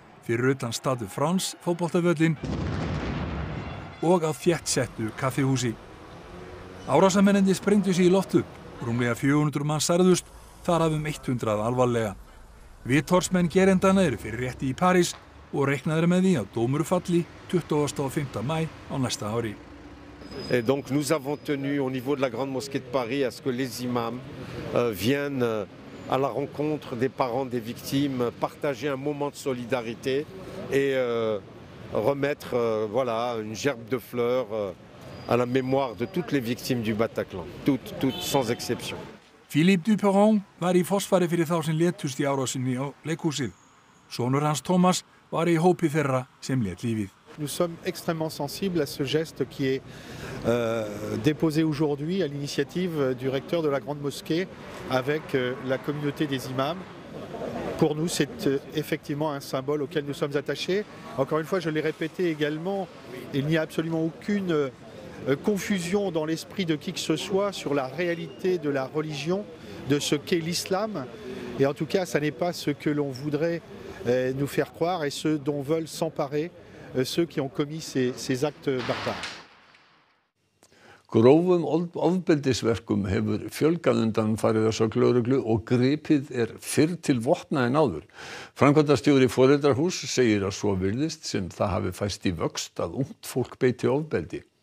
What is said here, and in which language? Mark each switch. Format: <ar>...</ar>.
<is>Fyrir utan Stade France, fótboltavöllin og að þétt settu kaffihúsi. Árásarmennendi sprengdu sig í loft upp. Rúmlega 400 mann særðust, þar af 100 alvarlega. Vitorsmenn gerendana eru fyrir rétti í París og reiknaður með því að dómur falli 25. maí á næsta ári.</is> <fr>Et donc nous avons tenu au niveau de la grande mosquée de Paris à ce que les imams viennent à la rencontre des parents des victimes, partager un moment de solidarité et remettre voilà une gerbe de fleurs à la mémoire de toutes les victimes du Bataclan, toutes sans exception.</fr> <is>Philippe Duperron var í forsvari fyrir þá sem létust í árásinni á leikhúsið. Sonur hans Thomas var í hópi þeirra sem lét lífið.</is> <fr>Nous sommes extrêmement sensibles à ce geste qui est déposé aujourd'hui à l'initiative du recteur de la Grande Mosquée avec la communauté des imams. Pour nous, c'est effectivement un symbole auquel nous sommes attachés. Encore une fois, je l'ai répété également, il n'y a absolument aucune confusion dans l'esprit de qui que ce soit sur la réalité de la religion, de ce qu'est l'islam. Et en tout cas, ça n'est pas ce que l'on voudrait nous faire croire et ce dont veulent s'emparer ceux qui ont commis ces actes barbares.</fr> <is>Grófum ofbeldisverkum hefur fjölgað undanfarið að sögn lögreglu og gripið fyrr til vopna en áður. Framkvæmdastjóri Foreldrahús segir að svo virðist sem það hafi fæst í vöxt að ungt fólk beiti ofbeldi.</is>